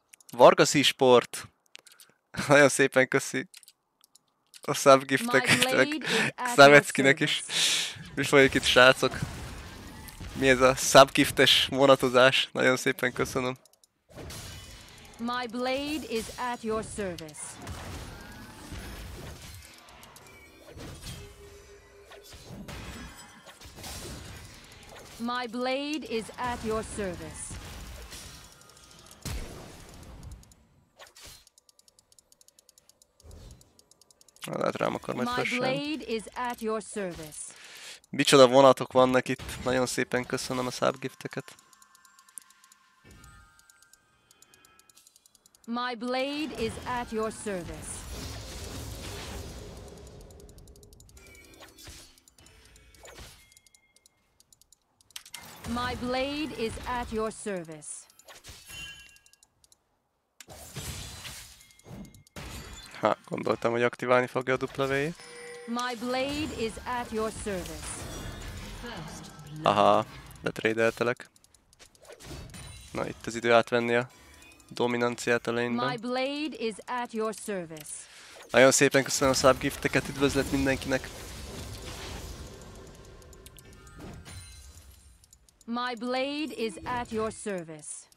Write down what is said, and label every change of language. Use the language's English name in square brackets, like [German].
[Hungarian] Vargas eSport! Nagyon szépen köszi a subgifteknek, Szemeckinek is. Mi folyik itt, srácok? Mi ez a subgiftes vonatozás? Nagyon szépen köszönöm. [English] My blade is at your service. My blade is at your service. [Hungarian] Lehet rám akar majd fessen. [English] My blade is at your service. [Hungarian] Micsoda vonatok vannak itt. Nagyon szépen köszönöm a subgifteket. [English] My blade is at your service. My blade is at your service. [Hungarian] Ha, gondoltam, hogy aktiválni fogja a dupla V-jét. [English] My blade is at your service. [Hungarian] Aha, letradeltelek. Na, itt az idő átvenni a dominanciát a lane-ben. [English] My blade is at your service. [Hungarian] Nagyon szépen köszönöm a subgifteket, üdvözlet mindenkinek. [English] My blade is at your service.